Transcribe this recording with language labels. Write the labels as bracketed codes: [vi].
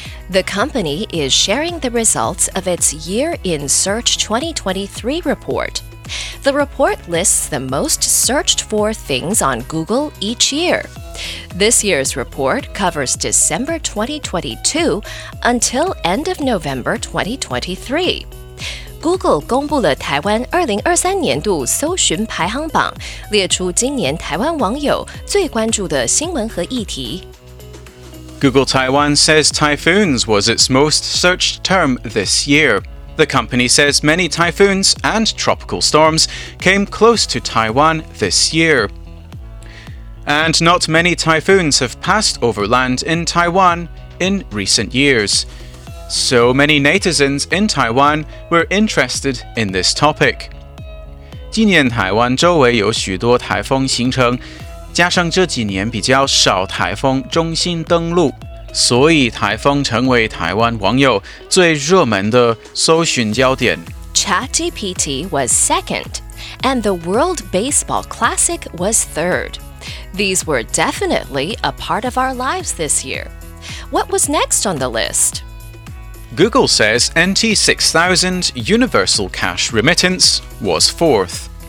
[en] The company is sharing the results of its Year in Search 2023 report. The report lists the most searched for things on Google each year. This year's report covers December 2022 until end of November 2023. [zh] Google 公布了台湾2023年度搜寻排行榜，列出今年台湾网友最关注的新闻和议题。 [en] Google Taiwan says typhoons was its most searched term this year. The company says many typhoons and tropical storms came close to Taiwan this year. And not many typhoons have passed over land in Taiwan in recent years. So many netizens in Taiwan were interested in this topic. [zh] 今年台湾周围有许多台风形成加上这几年比较少台风中心登陆，所以台风成为台湾网友最热门的搜寻焦点。 [en] ChatGPT was second, and the World Baseball Classic was third. These were definitely a part of our lives this year. What was next on the list? Google says NT6000 Universal Cash Remittance was fourth.